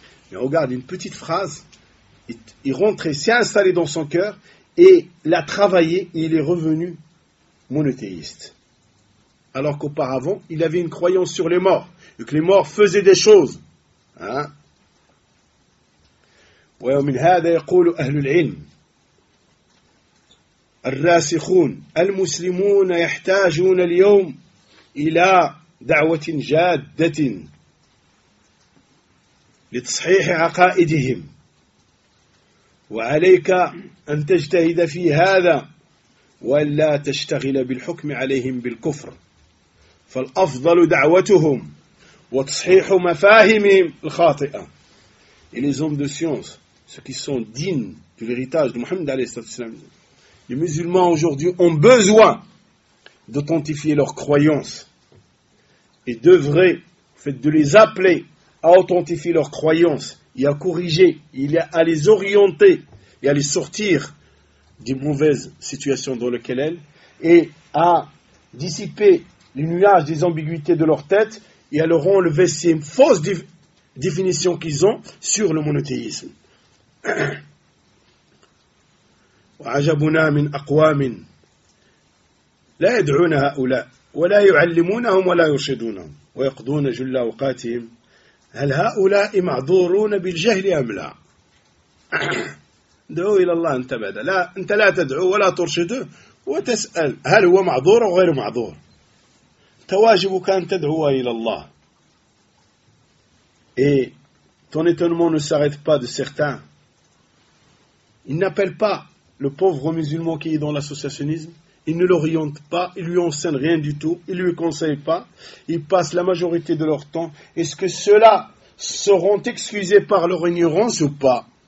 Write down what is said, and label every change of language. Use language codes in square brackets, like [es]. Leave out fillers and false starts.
[fr] Mais regarde, une petite phrase, il rentrait, s'est installé dans son cœur, et l'a travaillé, et il est revenu monothéiste. Alors qu'auparavant, il avait une croyance sur les morts, et que les morts faisaient des choses. [ar] وَيَوْمِنْ هَذَا يَقُولُ أَهْلُ الْعِلْمِ الراسخون المسلمون يحتاجون اليوم إلى دعوة جادة لتصحيح عقائدهم وعليك أن تجتهد في هذا ولا تشتغل بالحكم عليهم بالكفر فالأفضل دعوتهم وتصحيح مفاهيمهم الخاطئة. [fr] Et les hommes de science, ceux qui sont dignes de l'héritage de Mohammed [ar] عليه الصلاة والسلام. [fr] Les musulmans aujourd'hui ont besoin d'authentifier leurs croyances et devraient, en fait, de les appeler à authentifier leurs croyances et à corriger, et à les orienter et à les sortir des mauvaises situations dans lesquelles elles et à dissiper les nuages des ambiguïtés de leur tête et à leur enlever ces fausses définitions qu'ils ont sur le monothéisme. [ar] وعجبنا من أقوام لا يدعون هؤلاء ولا يعلمونهم ولا يرشدونهم ويقضون جل أوقاتهم هل هؤلاء معذورون بالجهل أم لا؟ دعوا إلى الله أنت بعد لا أنت لا تدعو ولا ترشده وتسأل هل هو معذور أو غير معذور؟ تواجبك أن تدعو إلى الله. [fr] Et ton étonnement ne s'arrête pas de certains. Il n'appelle pas le pauvre musulman qui est dans l'associationnisme, il ne l'oriente pas, il lui enseigne rien du tout, il ne lui conseille pas, il passe la majorité de leur temps. Est-ce que ceux-là seront excusés par leur ignorance ou pas?